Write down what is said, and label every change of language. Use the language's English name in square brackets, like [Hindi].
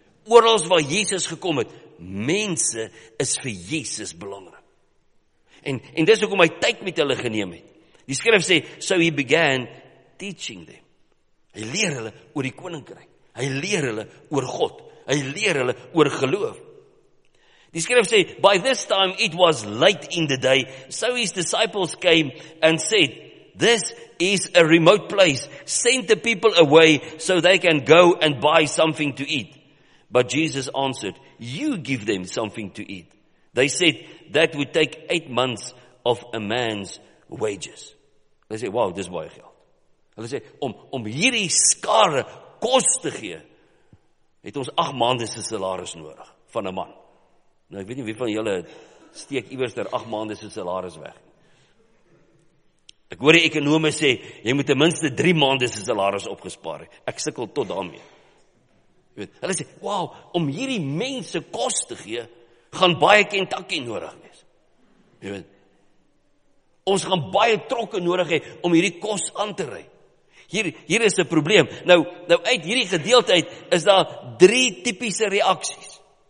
[Afrikaans] Oral waar Jesus gekom het, mense is vir Jesus belangrik. En dis hoekom hy tyd met hulle geneem het. Die skrif sê, [English] so he began teaching them. [Afrikaans] Hy leer hulle oor die koninkryk. Hy leer hulle oor God. Hy leer hulle oor geloof. Die skrif sê, [English] by this time it was late in the day, so his disciples came and said, this is a remote place. Send the people away so they can go and buy something to eat. But Jesus answered, you give them something to eat. They said, that would take 8 months of a man's wages. [Afrikaans] Hulle sê, wow, dis baie geld. Hulle sê, om hierdie skare kos te gee, het ons 8 maande se salaris nodig van 'n man. Nou, ek weet nie wie van julle steek iewers ter 8 maande se salaris weg. Ek hoor die ekonome sê, jy moet ten minste 3 maande se salaris opgespaar. Ek sukkel tot daarmee. Hulle sê, wow, om hierdie mense kos te gee, gaan baie Kentucky nodig wees. Jy weet, ons gaan baie trokke nodig hê om hierdie kos aan te ry. Hier is 'n probleem. Nou uit hierdie gedeelte uit is daar 3 tipiese reaksies.